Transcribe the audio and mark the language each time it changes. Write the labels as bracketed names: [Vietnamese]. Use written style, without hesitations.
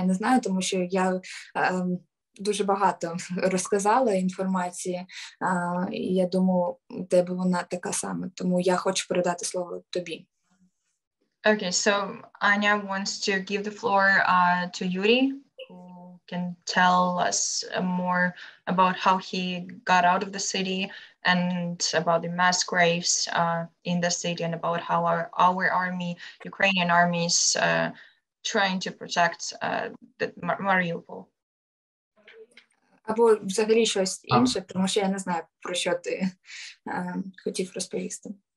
[Ukrainian] Я не знаю, тому що я дуже багато розказала інформації, і я думаю, в тебе вона така сама. Тому я хочу передати слово тобі. [English] Okay, so Anya wants to give the floor to Yuri, who can tell us more about how he got out of the city and about the mass graves in the city and about how our army, Ukrainian army, is trying to protect Mariupol. [Ukrainian] Або взагалі щось інше, тому що я не знаю, про що ти хотів розповісти.